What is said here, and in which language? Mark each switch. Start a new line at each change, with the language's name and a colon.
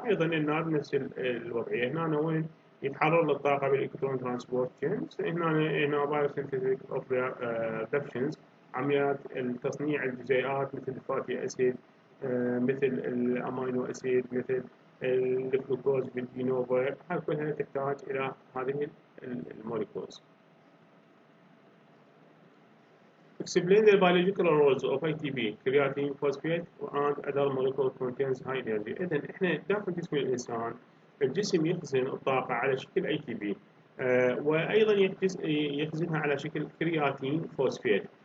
Arabic: ايضا النار نفس الوضعيه، هنا وين يتحرر للطاقه بالالكترون ترانسبورت تشينز، هنا بايو سينثيتيك اوف ريدكشنز، عمليات تصنيع الجزيئات مثل الفاتي اسيد، مثل الامينو اسيد، مثل الجلوكوز بالدينوفا، هاي كلها تحتاج الى هذه المولكولز.
English: Explain the biological roles of ATP, creatine, phosphate, and other molecules contains high energy.
Arabic: اذا احنا داخل جسم الانسان الجسم يخزن الطاقه على شكل ATP، وايضا يخزنها على شكل كرياتين فوسفيت.